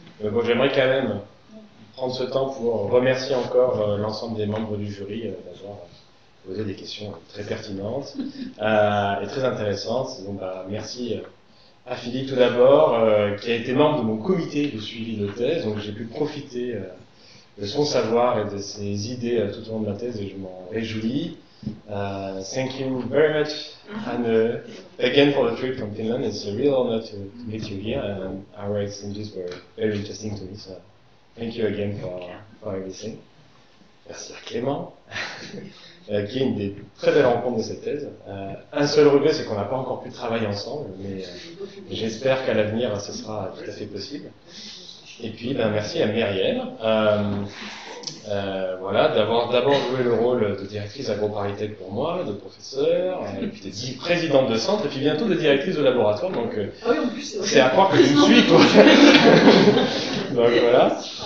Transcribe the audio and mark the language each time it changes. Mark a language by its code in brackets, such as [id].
[fr] Bon, j'aimerais quand même prendre ce temps pour remercier encore l'ensemble des membres du jury d'avoir posé des questions très pertinentes et très intéressantes. Donc, merci à Philippe tout d'abord, qui a été membre de mon comité de suivi de thèse, donc j'ai pu profiter de son savoir et de ses idées tout au long de la thèse, et je m'en réjouis. [en] Thank you very much, Anne, again for the trip from Finland. It's a real honor to meet you here, and our exchanges were very interesting to me, so thank you again for everything. [fr] Merci à Clément, qui est une des très belles rencontres de cette thèse. Un seul regret, c'est qu'on n'a pas encore pu travailler ensemble, mais j'espère qu'à l'avenir, ce sera tout à fait possible. Et puis, merci à Myriam, d'avoir d'abord joué le rôle de directrice agro-paritech pour moi, de professeur, et puis de présidente de centre, et puis bientôt de directrice de laboratoire, donc c'est à croire que tu me suis, toi. Donc voilà.